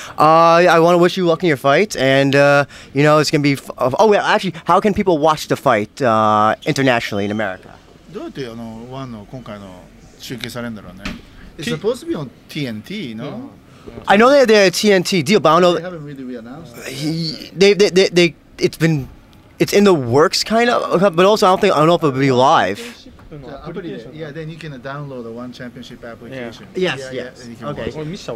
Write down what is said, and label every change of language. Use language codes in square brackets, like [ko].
[en] I want to wish you luck in your fight. And, you know, it's going to be... actually, how can people watch the fight internationally in America? [ja] どうやって、ワンの今回の集計されるんだろうね。 [en] It's supposed to be on TNT, no? Yeah. I know that they're a TNT deal, but I don't know... They haven't really re-announced it. They, it's been... It's in the works, kind of, but also I don't know if it'll be live. Yeah, then you can download the One Championship application. Yeah. Yes.